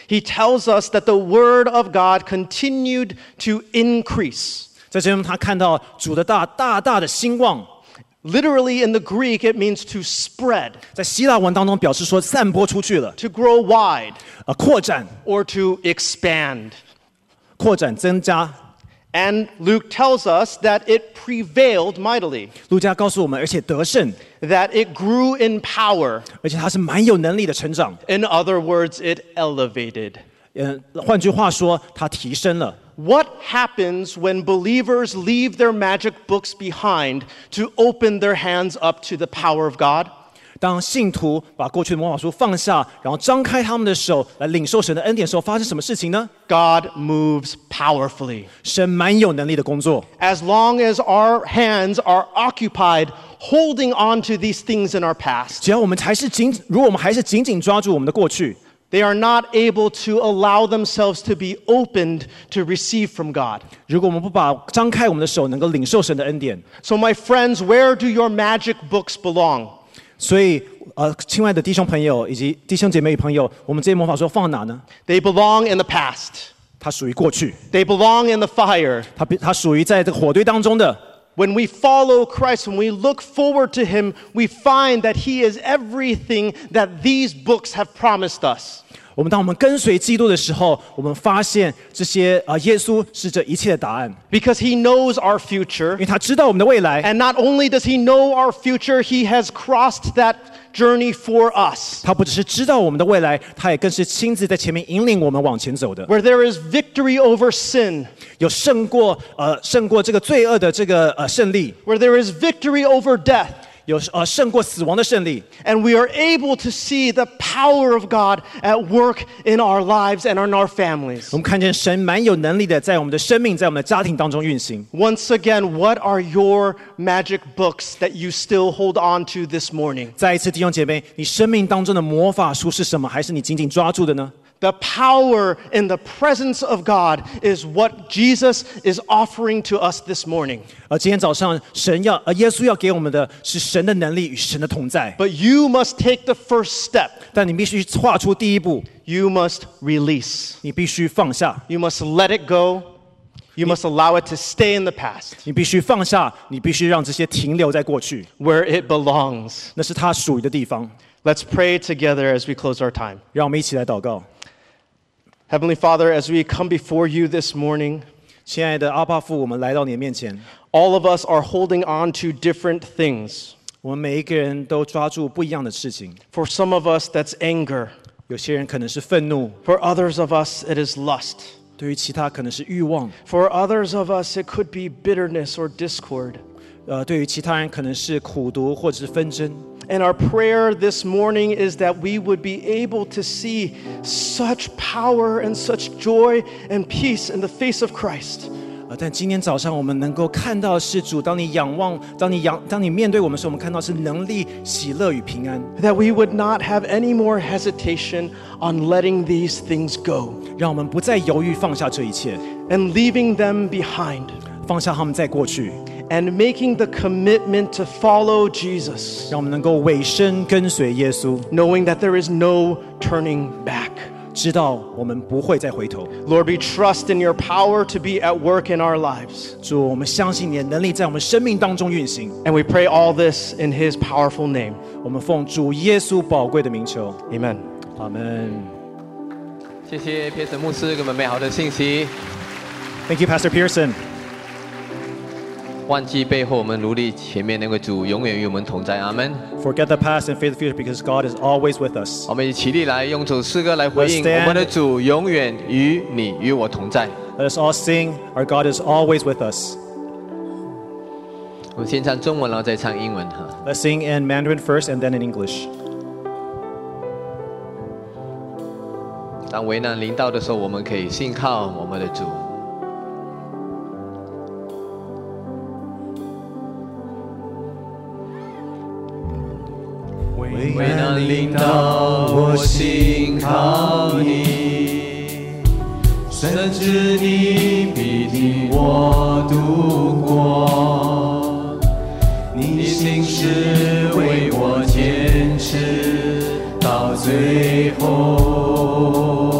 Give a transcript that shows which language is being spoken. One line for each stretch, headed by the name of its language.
English: He tells us that the word of God continued to increase.
Chinese: 在这边他看到主的大大的兴旺。
English: Literally in the Greek, it means to spread.
Chinese: 在希腊文当中表示说散播出去了。
English: To grow wide.
Chinese: 扩展。
English: Or to expand.
Chinese: 扩展增加。
English: And Luke tells us that it prevailed mightily.
Chinese: 路加告诉我们，而且得胜。
English: That it grew in power.
Chinese: 而且它是蛮有能力的成长。
English: In other words, it elevated.
Chinese: 换句话说，它提升了。
English: What happens when believers leave their magic books behind to open their hands up to the power of God?
Chinese: 当信徒把过去的魔法书放下，然后张开他们的手来领受神的恩典的时候，发生什么事情呢？
English: God moves powerfully.
Chinese: 神蛮有能力的工作。
English: As long as our hands are occupied holding on to these things in our past,
Chinese: 只要我们还是紧，如果我们还是紧紧抓住我们的过去。
English: They are not able to allow themselves to be opened to receive from God.
Chinese: 如果我们不把张开我们的手，能够领受神的恩典。
English: So my friends, where do your magic books belong?
Chinese: 所以，亲爱的弟兄朋友以及弟兄姐妹朋友，我们这些魔法书放哪呢？
English: They belong in the past.
Chinese: 它属于过去。
English: They belong in the fire.
Chinese: 它属于在这个火堆当中的。
English: When we follow Christ, when we look forward to Him, we find that He is everything that these books have promised us.
Chinese: 我们当我们跟随基督的时候，我们发现这些耶稣是这一切的答案。
English: Because He knows our future.
Chinese: 因为他知道我们的未来。
English: And not only does He know our future, He has crossed that journey for us.
Chinese: 他不只是知道我们的未来，他也更是亲自在前面引领我们往前走的。
English: Where there is victory over sin.
Chinese: 有胜过这个罪恶的这个胜利。
English: Where there is victory over death.
Chinese: 有胜过死亡的胜利。
English: And we are able to see the power of God at work in our lives and in our families.
Chinese: 我们看见神蛮有能力的在我们的生命在我们的家庭当中运行。
English: Once again, what are your magic books that you still hold on to this morning?
Chinese: 再一次弟兄姐妹，你生命当中的魔法书是什么，还是你紧紧抓住的呢？
English: The power in the presence of God is what Jesus is offering to us this morning.
Chinese: 今天早上神要耶稣要给我们的是神的能力与神的同在。
English: But you must take the first step.
Chinese: 但你必须跨出第一步。
English: You must release.
Chinese: 你必须放下。
English: You must let it go. You must allow it to stay in the past.
Chinese: 你必须放下，你必须让这些停留在过去。
English: Where it belongs.
Chinese: 那是它属于的地方。
English: Let's pray together as we close our time.
Chinese: 让我们一起来祷告。
English: Heavenly Father, as we come before you this morning,
Chinese: 亲爱的阿爸父，我们来到你的面前。
English: All of us are holding on to different things.
Chinese: 我们每一个人都抓住不一样的事情。
English: For some of us, that's anger.
Chinese: 有些人可能是愤怒。
English: For others of us, it is lust.
Chinese: 对于其他可能是欲望。
English: For others of us, it could be bitterness or discord.
Chinese: 对于其他人可能是苦毒或者是纷争。
English: And our prayer this morning is that we would be able to see such power and such joy and peace in the face of Christ.
Chinese: 但今天早上我们能够看到是主，当你仰望，当你面对我们时，我们看到是能力、喜乐与平安。
English: That we would not have any more hesitation on letting these things go.
Chinese: 让我们不再犹豫放下这一切。
English: And leaving them behind.
Chinese: 放下他们在过去。
English: And making the commitment to follow Jesus.
Chinese: 让我们能够委身跟随耶稣。
English: Knowing that there is no turning back.
Chinese: 知道我们不会再回头。
English: Lord, we trust in your power to be at work in our lives.
Chinese: 主，我们相信你的能力在我们生命当中运行。
English: And we pray all this in his powerful name.
Chinese: 我们奉主耶稣宝贵的名求。
English: Amen. Amen.
Chinese: 谢谢 Pearson 牧师给我们美好的信息。
English: Thank you, Pastor Pearson.
Chinese: 忘记背后，我们努力前面。那位主永远与我们同在。阿门。
English: Forget the past and face the future, because God is always with us.
Chinese: 我们以起立来，用这首诗歌来回应我们的主永远与你与我同在。
English: Let us all sing, our God is always with us.
Chinese: 我们先唱中文，然后再唱英文哈。
English: Let's sing in Mandarin first and then in English.
Chinese: 当危难临到的时候，我们可以信靠我们的主。危难临到，我心靠你，深知你必定我度过，你的心事为我坚持到最后。